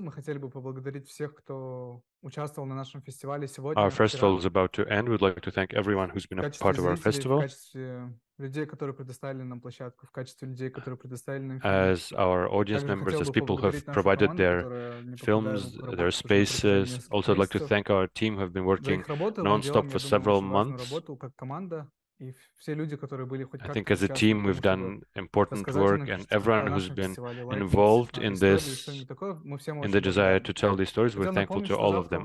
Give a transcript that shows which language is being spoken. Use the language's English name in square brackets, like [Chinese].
[Russian] Мы хотели бы поблагодарить всех, кто участвовал на нашем фестивале сегодня. [English] Our festival is about to end. We'd like to thank everyone who's been a part of our festival. [Russian] В качестве людей, которые предоставили нам площадку, в качестве людей, которые предоставили нам. [English] As our audience members, as people who have provided their films, their spaces. Also, I'd like to thank our team who have been working non-stop for several months. I think as a team we've done important work, and everyone who's been involved in this, in the desire to tell these stories, we're thankful to all of them.